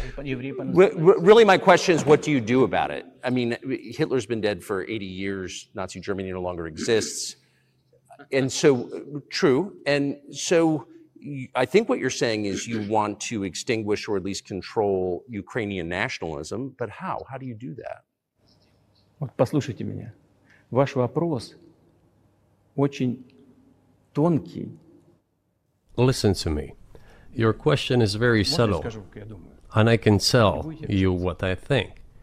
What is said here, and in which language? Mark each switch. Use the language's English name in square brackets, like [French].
[English] Really, my question is, what do you do about it? I mean, Hitler's been dead for 80 years. Nazi Germany no longer exists. And so, true. And so, I think what you're saying is you want to extinguish or at least control Ukrainian nationalism. But how? How do you do that? [Russian] Вот послушайте меня. Ваш вопрос очень тонкий. [English] Listen to me. Your question is very subtle, and I can tell you what I think.